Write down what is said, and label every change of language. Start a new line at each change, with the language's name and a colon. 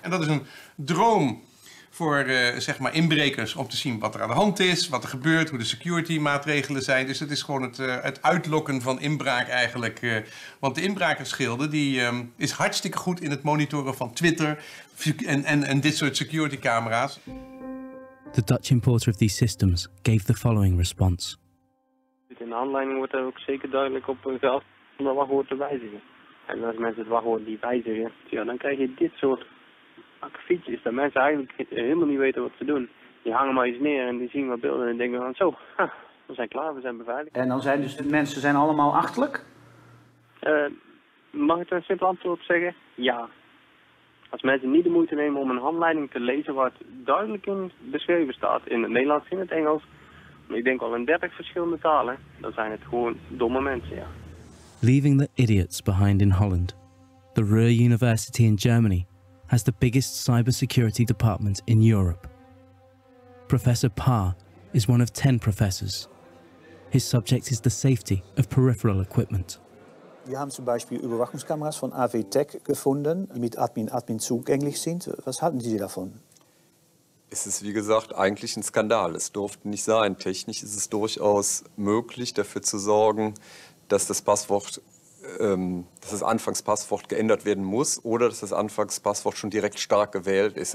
Dutch: En dat is een droom voor inbrekers om te zien wat er aan de hand is, wat er gebeurt, hoe de security maatregelen zijn. Dus het is gewoon het uitlokken van inbraak eigenlijk. Want de inbrakersgilde is hartstikke goed in het monitoren van Twitter en dit soort security camera's.
English: The Dutch importer of these systems gave the following response.
Dutch: In de handleiding wordt er ook zeker duidelijk op gezegd om dat wachtwoord te wijzigen. En als mensen het wachtwoord niet wijzigen, dan krijg je dit soort akkefietjes. Dat mensen eigenlijk helemaal niet weten wat ze doen. Die hangen maar eens neer en die zien wat beelden en denken van zo, we zijn klaar, we zijn beveiligd. En dan zijn dus de mensen zijn allemaal achterlijk? Mag ik er een simpel antwoord op zeggen? Ja. Als mensen niet de moeite nemen om een handleiding te lezen wat duidelijk in beschreven staat, in het Nederlands en in het Engels, ik denk al in 30 verschillende talen, dan zijn het gewoon domme mensen, ja.
English: Leaving the idiots behind in Holland, the Ruhr University in Germany has the biggest cybersecurity department in Europe. Professor Parr is one of 10 professors. His subject is the safety of peripheral equipment.
German: Wir haben zum Beispiel Überwachungskameras von AV Tech gefunden, die mit Admin zugänglich sind. Was halten Sie davon? Es ist, wie gesagt, eigentlich ein Skandal. Es durfte nicht sein. Technisch ist es durchaus möglich, dafür zu sorgen, dass das Passwort, dass das Anfangspasswort geändert werden muss oder dass das Anfangspasswort schon direkt stark gewählt ist.